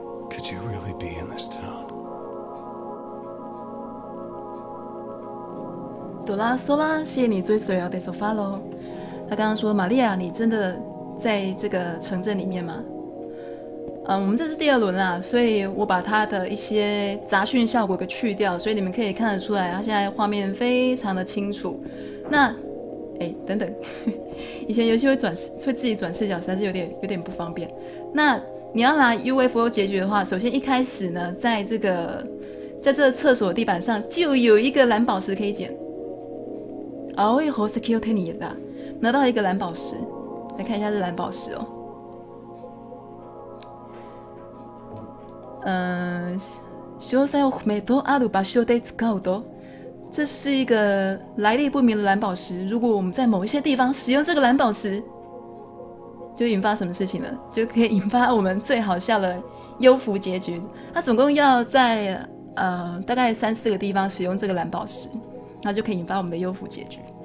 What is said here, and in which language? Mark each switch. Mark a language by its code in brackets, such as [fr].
[en] Could you really be in this town? [zh] 朵拉索拉，谢谢你追随我的 follow。他刚刚说：“玛利亚，你真的在这个城镇里面吗？” 我们这是第二轮啦，所以我把他的一些杂讯效果给去掉，所以你们可以看得出来，他现在画面非常的清楚。那，等等。以前游戏会自己转视角，实在是有点不方便。那你要拿 UFO 结局的话，首先一开始呢，在这个厕所地板上就有一个蓝宝石可以捡。哦，会猴子 kill 你的，拿到一个蓝宝石，来看一下这蓝宝石哦。 [ja] 詳細を不明とある場所で使うと。 [zh] 这是一个来历不明的蓝宝石。如果我们在某一些地方使用这个蓝宝石，就引发什么事情呢？就可以引发我们最好笑的幽浮结局。它总共要在大概三四个地方使用这个蓝宝石，那就可以引发我们的幽浮结局。